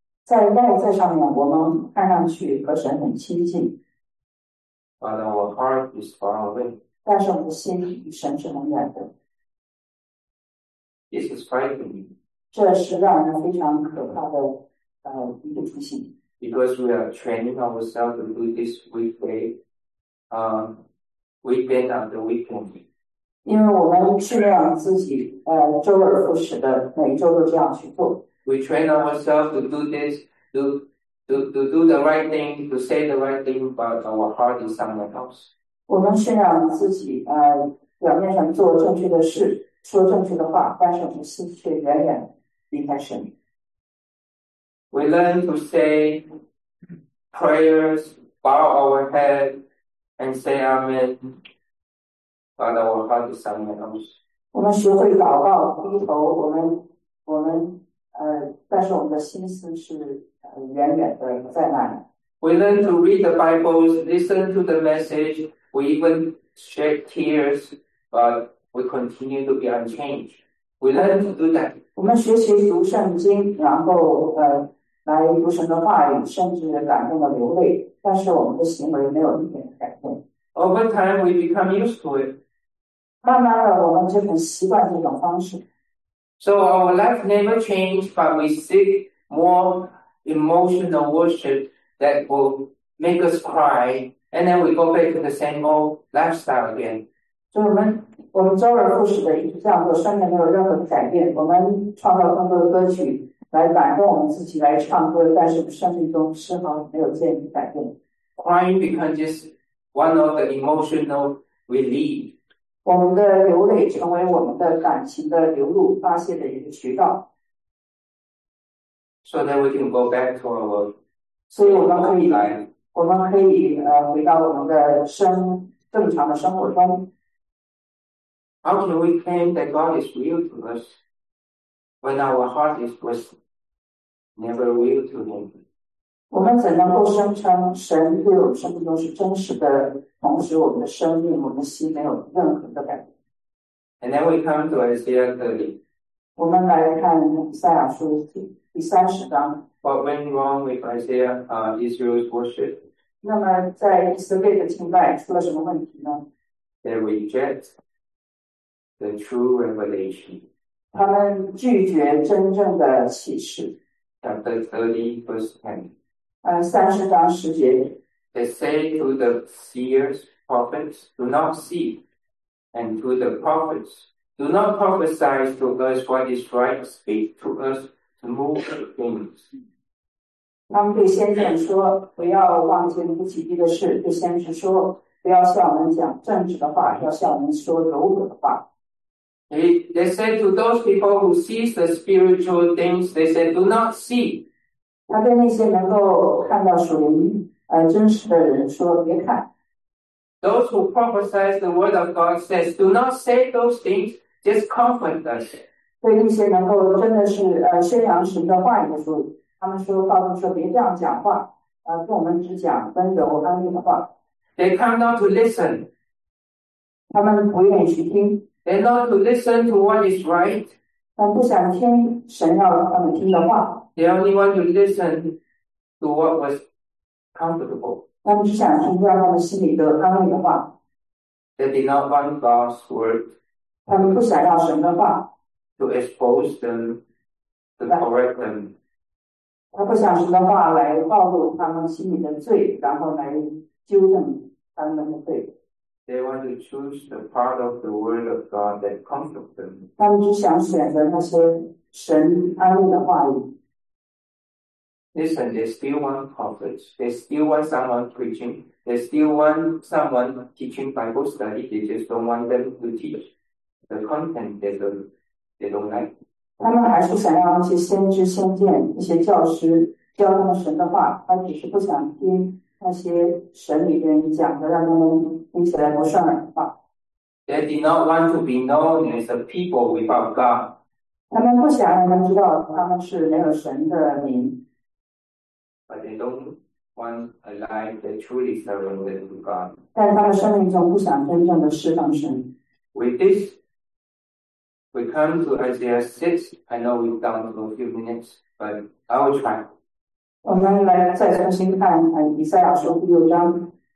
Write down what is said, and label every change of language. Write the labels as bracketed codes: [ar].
[zh] 在外在上面我们看上去和神很亲近。 [en] But our heart is far away. [zh] 但是我们的心与神是很远的。 [en] This is frightening. [zh] 这是让人非常可怕的一个提醒。 [en] Because we are training ourselves to do this weekday, weekend after weekend. [zh] 因为我们训练自己周而复始的每一周都这样去做。 [en] We train ourselves to do this, to do the right thing, to say the right thing, but our heart is somewhere else. [zh] 我们训练自己表面上做正确的事，说正确的话，但是我们心却远远离开神。 [en] We learn to say prayers, bow our head, and say amen, but our heart is somewhere else. [zh] 我们学会祷告，低头，我们但是我们的心思是远远的在那里。 [en] We learn to read the Bibles, listen to the message, we even shed tears, but we continue to be unchanged. We learn to do that. [zh] 我们学习读圣经，然后来读神的话语，甚至感动的流泪，但是我们的行为没有一点改变。 [en] Over time, we become used to it. [zh] 慢慢的，我们就很习惯这种方式。 [en] So our life never changed, but we seek more emotional worship that will make us cry, and then we go back to the same old lifestyle again. [zh] 就我们周而复始的一直这样做，虽然没有任何的改变，我们创造更多的歌曲。来感动我们自己来唱歌，但是生命中丝毫没有这样改变。 [en] Crying becomes just one of the emotional relief. [zh] 我们的流泪成为我们的感情的流露发泄的一个渠道。 [en] So then we can go back to our world. [zh] 所以我们可以回到我们的正常的生活中。 [en] How can we claim that God is real to us? When our heart was never real to him. [zh] 我们怎能够声称神对我们生命中是真实的，同时我们的生命，我们的心没有任何的改变。 [en] And then we come to Isaiah 30. [zh] 我们来看以赛亚书第三十章。 [en] What went wrong with Israel's worship? [zh] 那么在以色列的敬拜出了什么问题呢？ [en] They reject the true revelation. [zh] 他们拒绝真正的启示。 [en] Chapter 30, verse 10. [zh] 三十章十节。 [en] They say to the seers, prophets, do not see, and to the prophets, do not prophesy to us what is right, speak to us to move things. [zh] 他们对先知说，不要妄见不吉利的事，对先知说，不要向我们讲正直的话，要向我们说柔和的话。 [en] They said to those people who see the spiritual things, they said, do not see. [zh] 他对那些能够看到属灵真实的人说别看。 [en] Those who prophesy the word of God says, do not say those things, just comfort us. [zh] 对那些能够真的是宣扬神的话语的书，他们说告诉说别这样讲话，跟我们只讲温柔安静的话。 [en] They come not to listen. [zh] 他们不愿意去听。 [en] They not to listen to what is right. [zh] 但不想听神要他们听的话。 [en] They only want to listen to what was comfortable. [zh] 他们只想听到他们心里的安慰的话。 [en] They did not want God's word. [zh] 他们不想要神的话。 [en] To expose them, to correct them. [zh] 他不想什么话来暴露他们心里的罪，然后来纠正他们的罪。 [en] They want to choose the part of the word of God that comforts them. [zh] 他们只想选择那些神安慰的话语。 [en] Listen, they still want prophets. They still want someone preaching. They still want someone teaching Bible study. They just don't want them to teach the content they don't like. [zh] 他们还是想要那些先知先见，一些教师教他们神的话，他只是不想听那些神里边讲的，让他们听起来不顺耳的话。 [en] They did not want to be known as a people without God. [zh] 他们不想让人知道他们是没有神的名。 [en] But they don't want a life that truly surrenders to God. [zh] 但他们生命中不想真正的侍奉神。 [en] With this, we come to Isaiah 6. I know we've gone for a few minutes, but I'll try. [zh] 我们来再重新看以赛亚书第六章。